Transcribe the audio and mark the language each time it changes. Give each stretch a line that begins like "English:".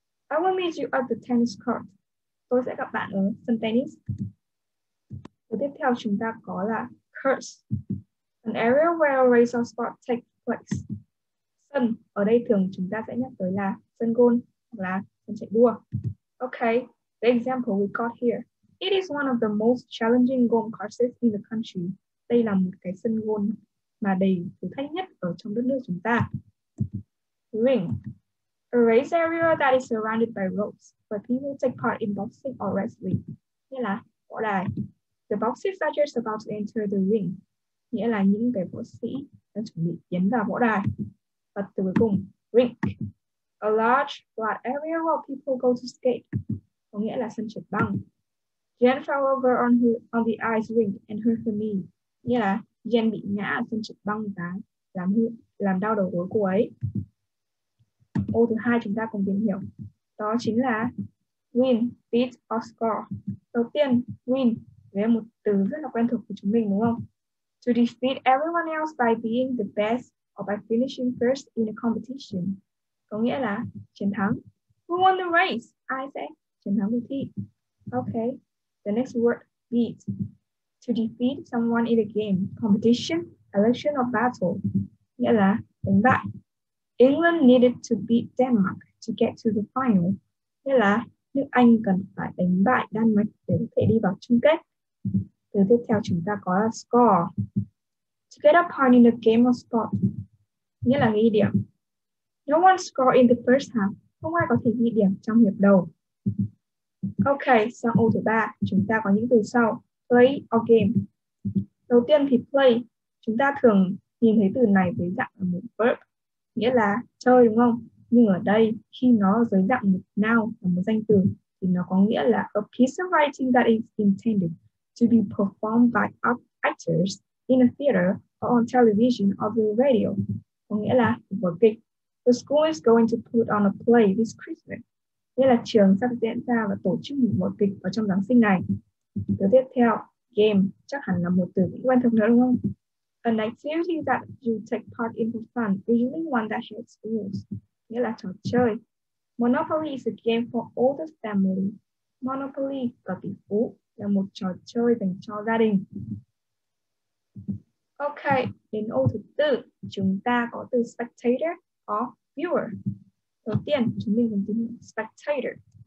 English: I will meet you at the tennis court,
Vietnamese: tôi sẽ gặp bạn ở sân tennis. Từ tiếp theo chúng ta có là
English: curse, an area where a race or sport takes place.
Vietnamese: Sân ở đây thường chúng ta sẽ nhắc tới là sân golf hoặc là chạy đua.
English: Okay, the example we got here. It is one of the most challenging golf courses in the country.
Vietnamese: Đây là một cái sân golf mà đầy thử thách nhất ở trong đất nước chúng ta.
English: Ring, a race area that is surrounded by ropes where people take part in boxing or wrestling.
Vietnamese: Nghĩa là võ đài.
English: The boxers are just about to enter the ring.
Vietnamese: Nghĩa là những cái võ sĩ đang chuẩn bị tiến vào võ đài. Và từ cuối cùng, rink,
English: a large flat area where people go to skate,
Vietnamese: có nghĩa là sân trượt băng.
English: Jen fell over on the ice rink and hurt her knee,
Vietnamese: nghĩa là Jen bị ngã ở sân trượt băng và làm đau đầu gối cô ấy. Ô thứ hai chúng ta cùng tìm hiểu, đó chính là win, beat or score. Đầu tiên, win, đấy là một từ rất là quen thuộc của chúng mình đúng không?
English: To defeat everyone else by being the best or by finishing first in a competition,
Vietnamese: có nghĩa là chiến thắng.
English: Who won the race?
Vietnamese: Ai sẽ chiến thắng cuộc thi?
English: Okay. The next word, beat. To defeat someone in a game, competition, election or battle.
Vietnamese: Nghĩa là đánh bại.
English: England needed to beat Denmark to get to the final.
Vietnamese: Nghĩa là nước Anh cần phải đánh bại Đan Mạch để có thể đi vào chung kết. Từ tiếp theo chúng ta có là score.
English: To get a point in a game or sport.
Vietnamese: Nghĩa là ghi điểm.
English: No one scored in the first half.
Vietnamese: Không ai có thể ghi điểm trong hiệp đầu. Ok, sang ô thứ ba, chúng ta có những từ sau: play or game. Đầu tiên thì play, chúng ta thường nhìn thấy từ này dưới dạng là một verb, nghĩa là chơi đúng không? Nhưng ở đây, khi nó dưới dạng một noun, một danh từ, thì nó có nghĩa là
English: a piece of writing that is intended to be performed by actors in a theater or on television or the radio.
Vietnamese: Có nghĩa là vở kịch.
English: The school is going to put on a play this Christmas.
Vietnamese: Nghĩa là trường sắp diễn ra và tổ chức một vở kịch vào trong Giáng sinh này. Từ tiếp theo, game, chắc hẳn là một từ quen thuộc nữa đúng không?
English: An activity that you take part in for fun, usually one that has rules.
Vietnamese: Nghĩa là trò chơi.
English: Monopoly is a game for all the family.
Vietnamese: Monopoly, có tỷ phú, là một trò chơi dành cho gia đình. Ok, đến ô thứ tư, chúng ta có từ spectator. Có viewer. Đầu tiên chúng mình cần tìm hiểu spectator.